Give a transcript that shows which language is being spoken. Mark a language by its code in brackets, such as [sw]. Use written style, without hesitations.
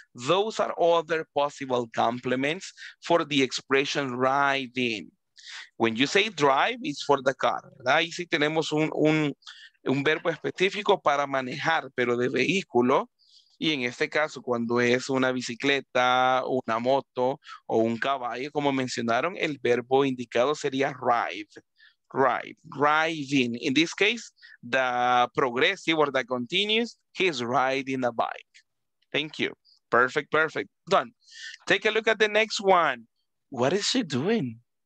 [en] Those are other possible complements for the expression riding. When you say drive, it's for the car. [es] Ahí sí tenemos un verbo específico para manejar, pero de vehículo. Y en este caso, cuando es una bicicleta, una moto o un caballo, como mencionaron, el verbo indicado sería ride. [en] Riding. In this case, the progressive or the continuous, he's riding a bike. Thank you. Perfect. Done. Take a look at the next one. What is she doing?